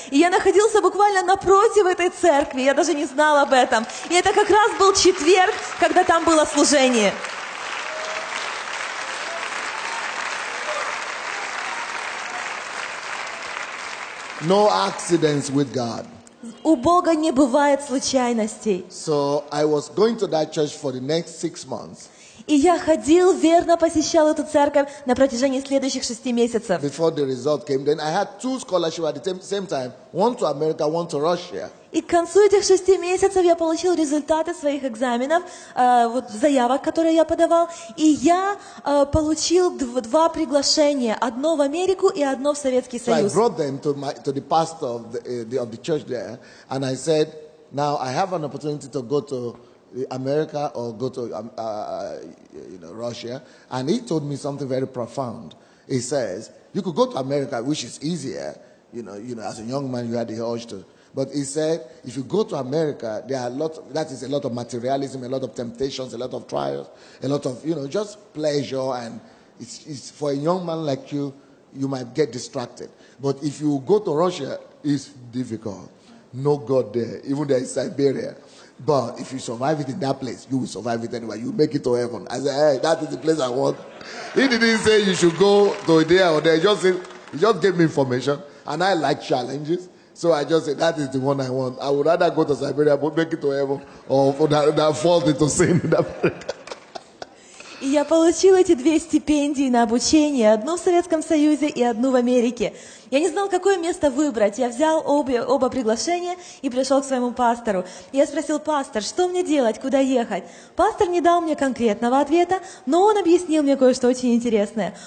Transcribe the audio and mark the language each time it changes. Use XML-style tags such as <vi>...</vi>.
<ru>И я находился буквально напротив этой церкви, я даже не знал об этом. И это как раз был четверг, когда там было служение.</ru> <en>No accidents with God.</en> <ru>У Бога не бывает случайностей.</ru> <en>So I was going to that church for the next 6 months.</en> <ru>И я ходил, верно посещал эту церковь на протяжении следующих 6 месяцев.</ru> <en>Before the result came, then I had 2 scholarships at the same time, one to America, one to Russia.</en> <ru>И к концу этих 6 месяцев я получил результаты своих экзаменов, вот заявок, которые я подавал, и я получил 2 приглашения, одно в Америку и одно в Советский Союз.</ru> <en>So I brought them to my to the pastor of the church there, and I said, now I have an opportunity to go to America or go to Russia, and he told me something very profound. He says, you could go to America, which is easier, you know, as a young man, you had the urge to. But he said, if you go to America, there are a lot of materialism, a lot of temptations, a lot of trials, a lot of, you know, just pleasure. And it's for a young man like you, you might get distracted. But if you go to Russia, it's difficult. No God there. Even there is Siberia. But if you survive it in that place, you will survive it anyway. You make it to heaven. I said, hey, that is the place I want. He didn't say you should go to there or there. He just gave me information. And I like challenges. So I just said, that is the one I want. I would rather go to Siberia, but make it to heaven, or that fall into sin in America.</en> <ru>И я получил эти 2 стипендии на обучение, 1 в Советском Союзе и 1 в Америке. Я не знал, какое место выбрать. Я взял оба приглашения и пришел к своему пастору. Я спросил: пастор, что мне делать, куда ехать? Пастор не дал мне конкретного ответа, но он объяснил мне кое-что очень интересное.</ru>